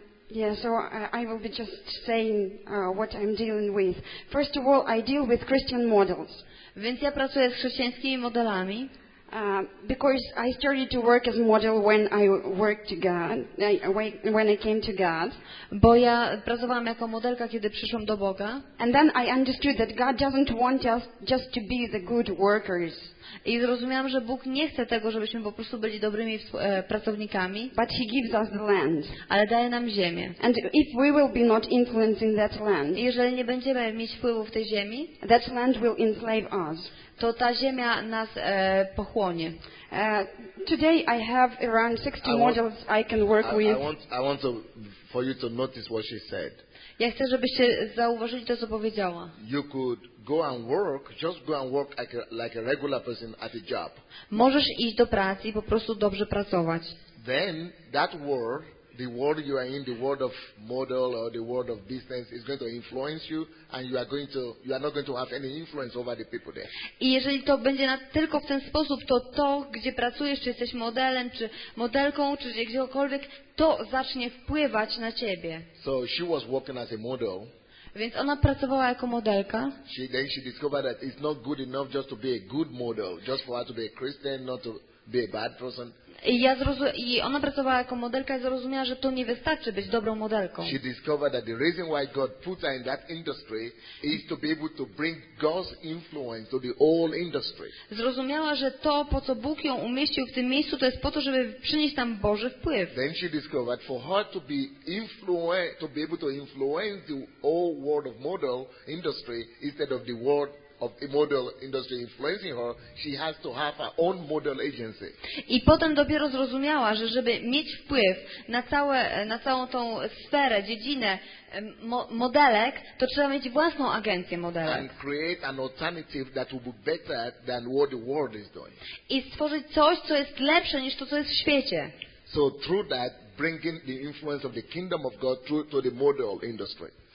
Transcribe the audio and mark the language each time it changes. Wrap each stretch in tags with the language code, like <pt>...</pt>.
<en>Yeah, so I will be just saying what I'm dealing with. First of all, I deal with Christian models.</en> <pl>Więc ja pracuję z chrześcijańskimi modelami.</pl> <en>Because I started to work as model when I worked to God, when I came to God.</en> <pl>Bo ja pracowałam jako modelka, kiedy przyszłam do Boga.</pl> <en>And then I understood that God doesn't want us just to be the good workers.</en> <pl>I zrozumiałam, że Bóg nie chce tego, żebyśmy po prostu byli dobrymi pracownikami.</pl> <en>But he gives us the land.</en> <pl>Ale daje nam ziemię.</pl> <en>And if we will be not influencing that land,</en> <pl>jeżeli nie będziemy mieć wpływu w tej ziemi,</pl> <en>that land will enslave us.</en> <pl>To ta ziemia nas pochłonie.</pl> <en>Today I have around 60 models I can work with. I want for you to notice what she said.</en> <pl>Ja chcę, żebyście zauważyli to, co powiedziała.</pl> <en>You could go and work, just go and work like a regular person at a job.</en> <pl>Możesz iść do pracy i po prostu dobrze pracować.</pl> <en>Then that world, the world you are in, the world of model or the world of business, is going to influence you, and you are not going to have any influence over the people there.</en> <pl>I jeżeli to będzie tylko w ten sposób, to gdzie pracujesz, czy jesteś modelem, czy modelką, czy gdziekolwiek, to zacznie wpływać na ciebie.</pl> <en>So she was working as a model.</en> <pl>Więc ona pracowała jako modelka.</pl> <en>She discovered that it's not good enough just to be a good model, just for her to be a Christian, not to be a bad person.</en> <pl>I ona pracowała jako modelka i zrozumiała, że to nie wystarczy być dobrą modelką.</pl> <en>She discovered that the reason why God put her in that industry is to be able to bring God's influence to the whole industry.</en> <pl>Zrozumiała, że to, po co Bóg ją umieścił w tym miejscu, to jest po to, żeby przynieść tam Boży wpływ.</pl> <en>Then she discovered for her to be influence, to be able to influence the whole world of model industry instead of the world of the model industry influencing her, she has to have her own model agency.</en> <pl>I potem dopiero zrozumiała, że żeby mieć wpływ na całą tą sferę, dziedzinę modelek, to trzeba mieć własną agencję modelek.</pl> <en>And create an alternative that will be better than what the world is doing.</en> <pl>I stworzyć coś, co jest lepsze niż to, co jest w świecie.</pl> <en>So through that, bringing the influence of the kingdom of God through to the model industry.</en>